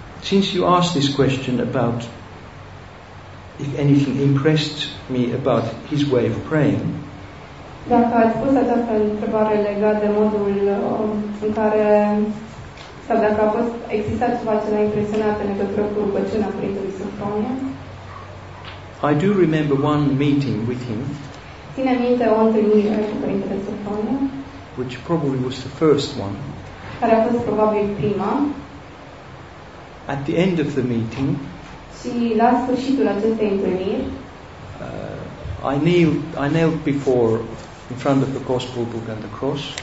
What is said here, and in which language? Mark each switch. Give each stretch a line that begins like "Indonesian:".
English: Since you asked this question about if anything impressed me about his way of praying,
Romanian: dacă ați pus această întrebare legat de modul în care, sau dacă a fost existat ceva ce l-a impresionat în legătură cu rugăciunea Părintelui Sofronie,
English: I do remember one meeting with him.
Romanian: Țin minte o întâlnire cu Părintele Sofronie,
English: which probably was the first one.
Romanian: Care a fost probabil prima.
English: At the end of the meeting,
Romanian: și la sfârșitul acestei întâlniri,
English: I knelt before in front of the gospel book and the cross.